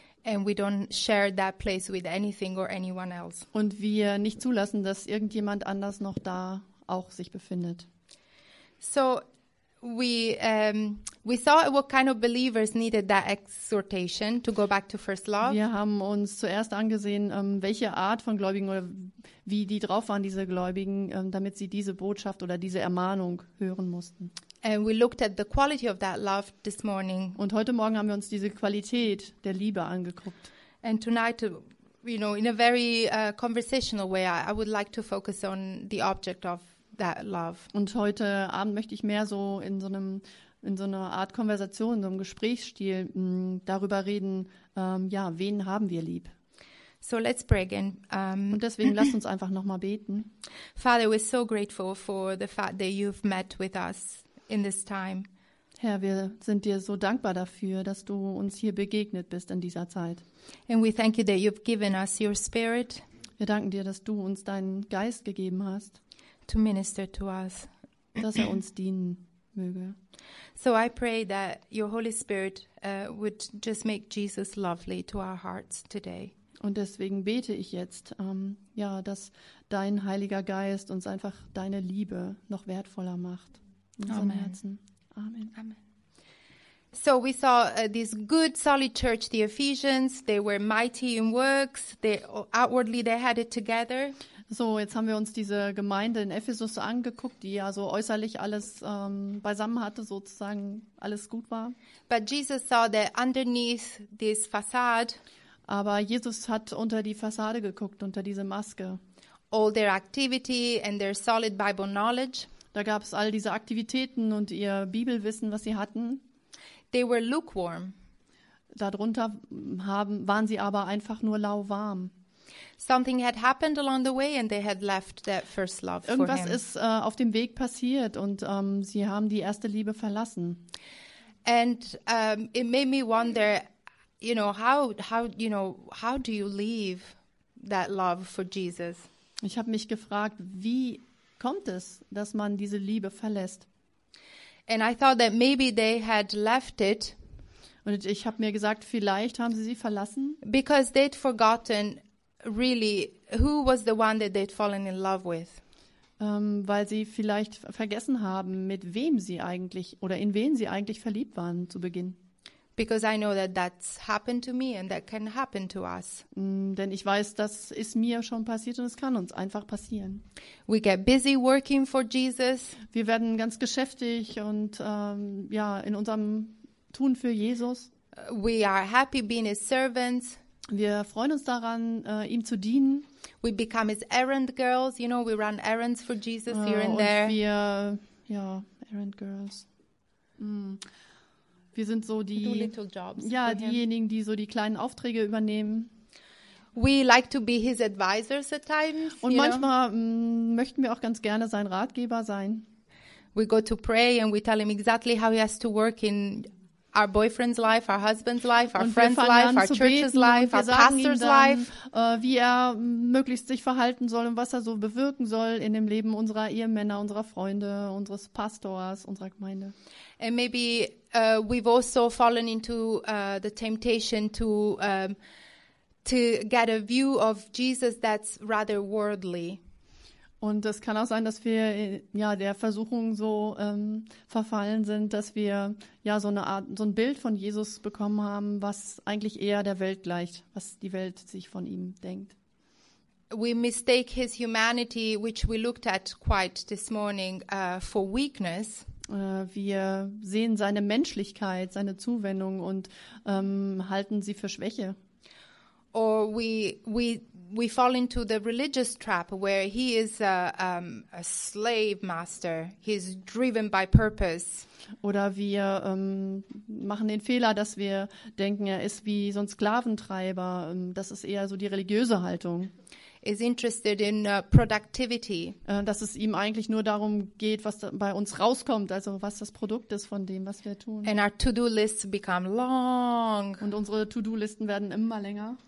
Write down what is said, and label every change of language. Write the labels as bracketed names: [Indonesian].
[English] And we don't share that place with anything or anyone else. [German] Und wir nicht zulassen, dass irgendjemand anders noch da auch sich befindet. [English] So we saw what kind of believers needed that exhortation to go back to first love. [German] Wir haben uns zuerst angesehen, welche Art von Gläubigen oder wie die drauf waren, diese Gläubigen, damit sie diese Botschaft oder diese Ermahnung hören mussten. [English] And we looked at the quality of that love this morning. [German] Und heute Morgen haben wir uns diese Qualität der Liebe angeguckt. [English] And tonight you know, in a very conversational way, I would like to focus on the object of that love. [German] Und heute Abend möchte ich mehr so in so einem, in so einer Art Konversation, in so einem Gesprächsstil darüber reden, ja, wen haben wir lieb? [English] So let's pray again. [German] Und deswegen lasst uns einfach nochmal beten. [English] Father, we're so grateful for the fact that you've met with us in this time. [German] Herr, wir sind dir so dankbar dafür, dass du uns hier begegnet bist in dieser Zeit. [English] And we thank you that you've given us your spirit. [German] Wir danken dir, dass du uns deinen Geist gegeben hast. [English] To minister to us. [German] Dass er uns dienen möge. [English] So I pray that your Holy Spirit would just make Jesus lovely to our hearts today. [German] Und deswegen bete ich jetzt, ja, dass dein Heiliger Geist uns einfach deine Liebe noch wertvoller macht in unserem Herzen. [English] Amen. [German] Amen. [English] So we saw this good, solid church, the Ephesians. They were mighty in works. They outwardly they had it together. [German] So, jetzt haben wir uns diese Gemeinde in Ephesus angeguckt, die ja so äußerlich alles beisammen hatte, sozusagen alles gut war. [English] But Jesus saw that underneath this facade. [German] Aber Jesus hat unter die Fassade geguckt, unter diese Maske. [English] All their activity and their solid Bible knowledge. [German] Da gab es all diese Aktivitäten und ihr Bibelwissen, was sie hatten. [English] They were lukewarm. [German] Darunter waren sie aber einfach nur lauwarm. [English] Something had happened along the way and they had left that first love for him. [German] Irgendwas ist auf dem Weg passiert und sie haben die erste Liebe verlassen. [English] And it made me wonder, you know, how do you leave that love for Jesus? [German] Ich habe mich gefragt, wie kommt es, dass man diese Liebe verlässt? [English] And I thought that maybe they had left it. [German] Und ich habe mir gesagt, vielleicht haben sie verlassen. [English] Because they'd forgotten really who was the one that they'd fallen in love with. [German] Weil sie vielleicht vergessen haben, mit wem sie eigentlich oder in wen sie eigentlich verliebt waren zu Beginn. [English] Because I know that that's happened to me and that can happen to us. [German] Denn ich weiß, das ist mir schon passiert und es kann uns einfach passieren. [English] We get busy working for Jesus. [German] Wir werden ganz geschäftig und ja, in unserem Tun für Jesus. [English] We are happy being his servants. [German] Wir freuen uns daran, ihm zu dienen. [English] We become his errand girls, you know, we run errands for Jesus here and there. [German] Und wir, ja, [English] errand girls. [German] Wir sind so die, ja, diejenigen, die so die kleinen Aufträge übernehmen. [English] We like to be his advisors at times. [German] Und manchmal möchten wir auch ganz gerne sein Ratgeber sein. [English] We go to pray and we tell him exactly how he has to work in our boyfriend's life, our husband's life, our friend's life, our church's life, our pastor's life. [German] Wie er möglichst sich verhalten soll und was er so bewirken soll in dem Leben unserer Ehemänner, unserer Freunde, unseres Pastors, unserer Gemeinde. [English] And maybe we've also fallen into the temptation to get a view of Jesus that's rather worldly. [German] Und es kann auch sein, dass wir ja der Versuchung so verfallen sind, dass wir ja so eine Art, so ein Bild von Jesus bekommen haben, was eigentlich eher der Welt gleicht, was die Welt sich von ihm denkt. [English] We mistake his humanity, which we looked at quite this morning, for weakness. [German] Wir sehen seine Menschlichkeit, seine Zuwendung und halten sie für Schwäche. [English] Or we fall into the religious trap where he is a slave master. He's driven by purpose. [German] Oder wir machen den Fehler, dass wir denken, er ist wie so ein Sklaventreiber. Das ist eher so die religiöse Haltung. [English] Is interested in productivity. [German] Dass es ihm eigentlich nur darum geht, was da bei uns rauskommt, also was das Produkt ist von dem, was wir tun. [English] And our to-do-lists become long. [German] Und unsere To-Do-Listen werden immer länger.